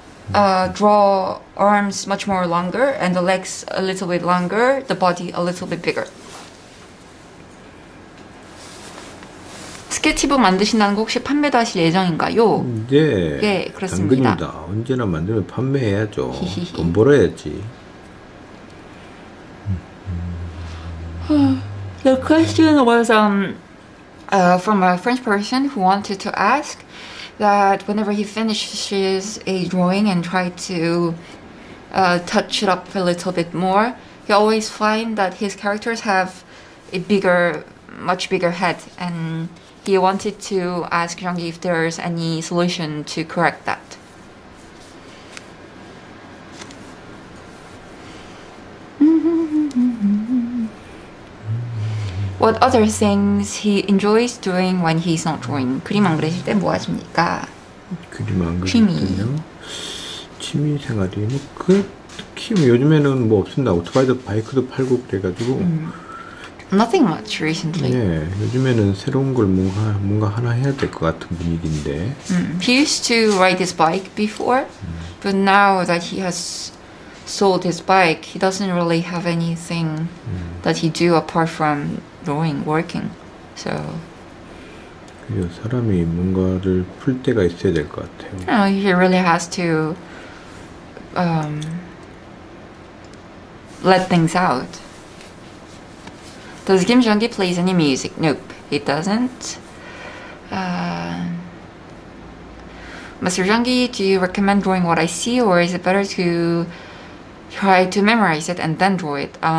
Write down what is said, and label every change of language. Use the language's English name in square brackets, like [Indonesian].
[English] Draw arms much more longer and the legs a little bit longer, the body a little bit bigger. [Korean] 스케치북 만드신다는 거 혹시 판매도 하실 예정인가요? 네. 네, 그렇습니다. 당근입니다. 언제나 만들면 판매해야죠. 돈 벌어야지. [English] The question was from a French person who wanted to ask that whenever he finishes a drawing and try to touch it up a little bit more, he always find that his characters have a bigger much bigger head, and he wanted to ask Jeong-gi if there's any solution to correct that. What other things he enjoys doing when he's not drawing? [Korean] 그림 안 그리실 때 뭐 하십니까? 그림 안 그리세요? 취미 생활이 뭐 그 특히 뭐 요즘에는 뭐 없습니다. 오토바이도 바이크도 팔고 그래가지고 [English] Nothing much recently. [Korean] 네, 요즘에는 새로운 걸 뭔가 하나 해야 될 것 같은 분위기인데. [English] He used to ride his bike before, but now that he has sold his bike, he doesn't really have anything that he do apart from drawing, working. So. [Korean] 그래요, 사람이 뭔가를 풀 때가 있어야 될 것 같아요. [English] No, he really has to let things out. Does Kim Jong-gi plays any music? Nope, he doesn't. Mr. Jong-gi, do you recommend drawing what I see, or is it better to try to memorize it and then draw it?